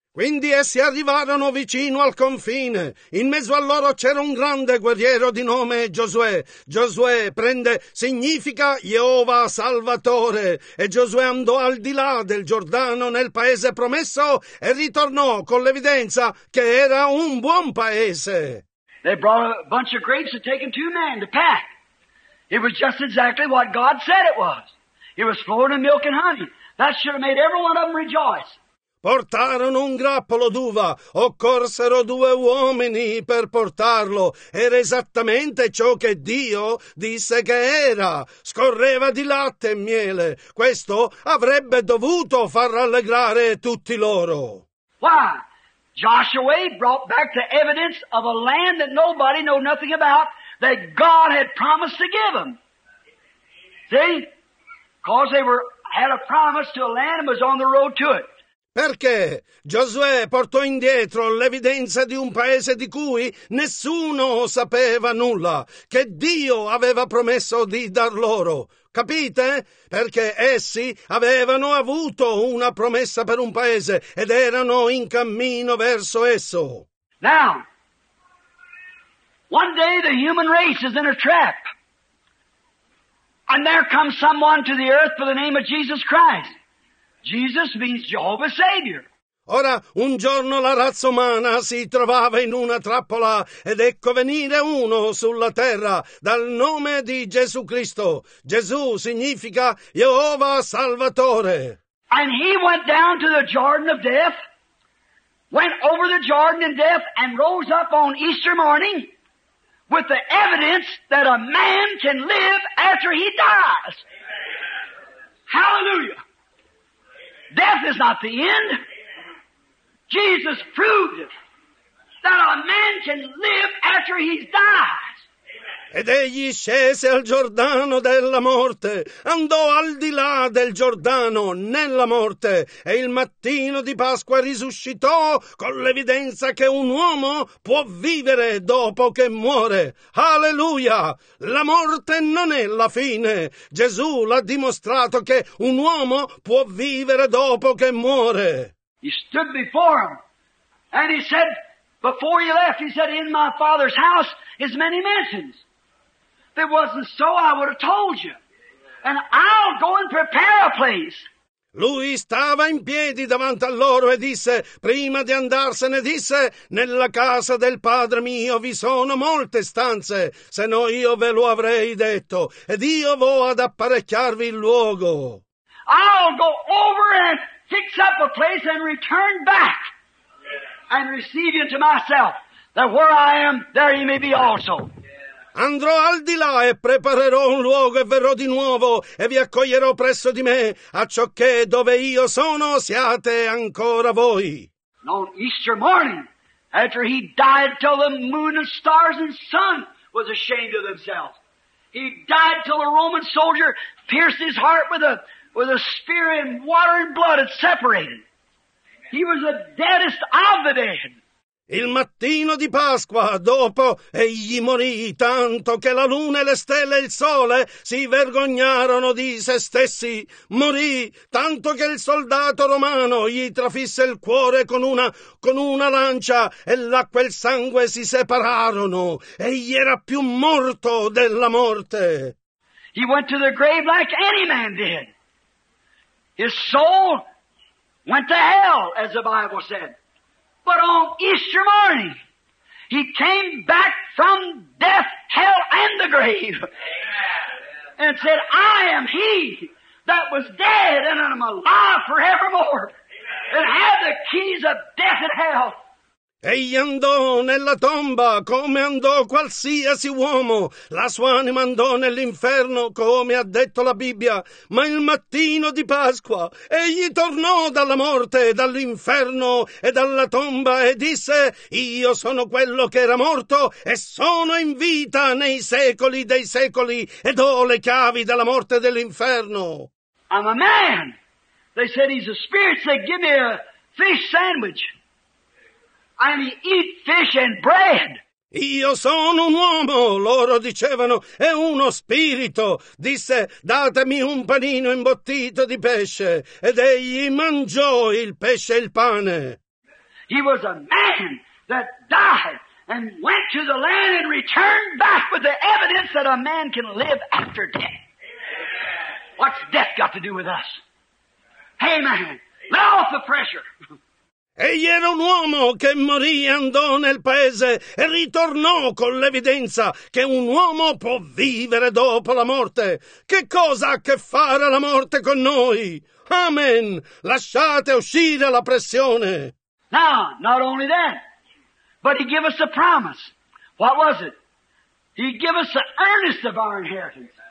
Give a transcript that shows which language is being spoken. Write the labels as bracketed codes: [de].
[it] Quindi essi arrivarono vicino al confine. In mezzo a loro c'era un grande guerriero di nome Giosuè. Giosuè significa Jehovah Salvatore. E Giosuè andò al di là del Giordano nel paese promesso e ritornò con l'evidenza che era un buon paese. [en] They brought a bunch of grapes and taken two men to pack. It was just exactly what God said it was. It was flowing in milk and honey. That should have made every one of them rejoice. [it] Portarono un grappolo d'uva, occorsero due uomini per portarlo. Era esattamente ciò che Dio disse che era. Scorreva di latte e miele. Questo avrebbe dovuto far rallegrare tutti loro. [en] Why? Joshua brought back the evidence of a land that nobody knew nothing about that God had promised to give them. See? Because they had a promise to a land and was on the road to it. [it] Perché Giosuè portò indietro l'evidenza di un paese di cui nessuno sapeva nulla, che Dio aveva promesso di dar loro. Capite? Perché essi avevano avuto una promessa per un paese ed erano in cammino verso esso. [en] Now, one day the human race is in a trap, and there comes someone to the earth by the name of Jesus Christ. Jesus means Jehovah Savior. [it] Ora, un giorno la razza umana si trovava in una trappola ed ecco venire uno sulla terra dal nome di Gesù Cristo. Gesù significa Jehovah Salvatore. [en] And he went down to the Jordan of death, went over the Jordan in death and rose up on Easter morning with the evidence that a man can live after he dies. Hallelujah. Death is not the end. Jesus proved it, that a man can live after he dies. [it] Ed egli scese al Giordano della morte, andò al di là del Giordano nella morte, e il mattino di Pasqua risuscitò con l'evidenza che un uomo può vivere dopo che muore. Alleluia! La morte non è la fine. Gesù l'ha dimostrato che un uomo può vivere dopo che muore. [en] He stood before him, and he said, before he left, he said, in my father's house is many mansions. If it wasn't so, I would have told you. And I'll go and prepare a place. [it] Lui stava in piedi davanti a loro e disse, prima di andarsene, disse, nella casa del padre mio vi sono molte stanze, se no io ve lo avrei detto, ed io vo ad apparecchiarvi il luogo. [en] I'll go over and fix up a place and return back and receive you to myself, that where I am, there you may be also. [it] Andrò al di là e preparerò un luogo e verrò di nuovo e vi accoglierò presso di me, a ciò che dove io sono siate ancora voi. [en] And on Easter morning, after he died till the moon and stars and sun was ashamed of themselves, he died till a Roman soldier pierced his heart with a with the spirit and water and blood had separated. He was the deadest of the dead. [it] Il mattino di Pasqua, dopo, egli morì tanto che la luna e le stelle e il sole si vergognarono di se stessi. Morì tanto che il soldato romano gli trafisse il cuore con una lancia e l'acqua e il sangue si separarono. Egli era più morto della morte. [en] He went to the grave like any man did. His soul went to hell, as the Bible said. But on Easter morning, he came back from death, hell, and the grave. Amen. And said, I am he that was dead and I'm alive forevermore. Amen. And have the keys of death and hell. [it] Egli andò nella tomba come andò qualsiasi uomo. La sua anima andò nell'inferno come ha detto la Bibbia. Ma il mattino di Pasqua egli tornò dalla morte, dall'inferno e dalla tomba e disse: io sono quello che era morto e sono in vita nei secoli dei secoli ed ho le chiavi della morte e dell'inferno. [en] I'm a man. They said he's a spirit. They give me a fish sandwich. And he eat fish and bread. [it] Io sono un uomo, loro dicevano, è uno spirito. Disse, datemi un panino imbottito di pesce. Ed egli mangiò il pesce e il pane. [en] He was a man that died and went to the land and returned back with the evidence that a man can live after death. Amen. What's death got to do with us? Hey man, let off the pressure. [it] Egli era un uomo che morì e andò nel paese e ritornò con l'evidenza che un uomo può vivere dopo la morte. Che cosa ha a che fare la morte con noi? Amen! Lasciate uscire la pressione! [en] Now, not only that, but he gave us a promise. What was it? He gave us the earnest of our inheritance.